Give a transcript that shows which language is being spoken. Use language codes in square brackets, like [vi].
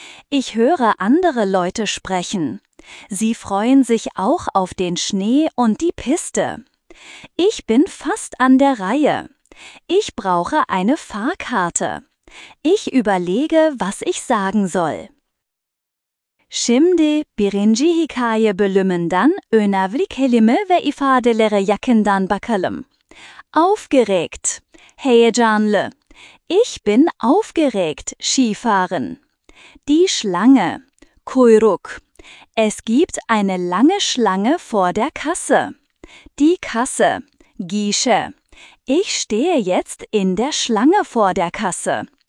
[de] Ich höre andere Leute sprechen. Sie freuen sich auch auf den Schnee und die Piste. Ich bin fast an der Reihe. Ich brauche eine Fahrkarte. Ich überlege, was ich sagen soll. [tr] Şimdi birinci hikaye bölümünden önemli kelime ve ifadelere yakından bakalım. [de] Aufgeregt, [tr] heyecanlı. [de] Ich bin aufgeregt, Skifahren. Die Schlange, [tr] Kuyruk. [de] Es gibt eine lange Schlange vor der Kasse. Die Kasse, [tr] Gişe. [de] Ich stehe jetzt in der Schlange vor der Kasse.